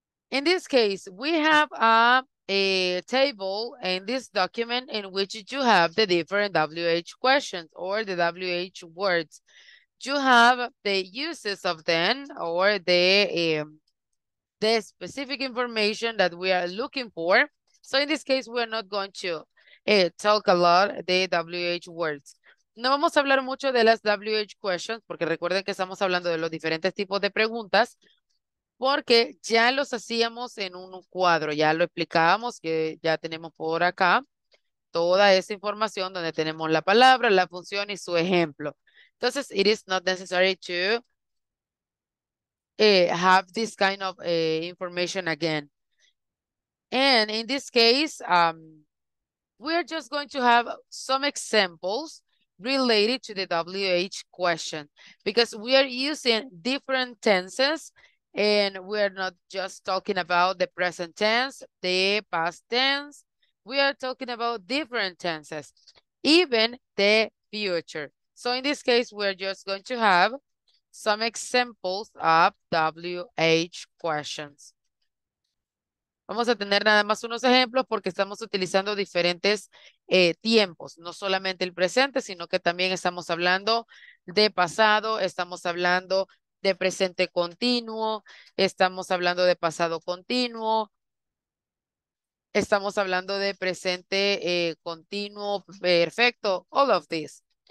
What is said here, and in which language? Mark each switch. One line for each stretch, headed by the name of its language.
English: In this case, we have a table in this document in which you have the different WH questions or the WH words. You have the uses of them or the specific information that we are looking for. So in this case, we are not going to talk a lot the WH words.
Spanish: No vamos a hablar mucho de las WH questions, porque recuerden que estamos hablando de los diferentes tipos de preguntas, porque ya los hacíamos en un cuadro, ya lo explicábamos, que ya tenemos por acá toda esa información donde tenemos la palabra, la función y su ejemplo. Entonces,
English: it is not necessary to have this kind of information again. And in this case, we are just going to have some examples related to the WH question, because we are using different tenses and we are not just talking about the present tense, the past tense. We are talking about different tenses, even the future. So in this case, we're just going to have some examples of WH questions.
Spanish: Vamos a tener nada más unos ejemplos porque estamos utilizando diferentes tiempos, no solamente el presente, sino que también estamos hablando de pasado, estamos hablando de presente continuo, estamos hablando de pasado continuo, estamos hablando de presente continuo perfecto,
English: all of this.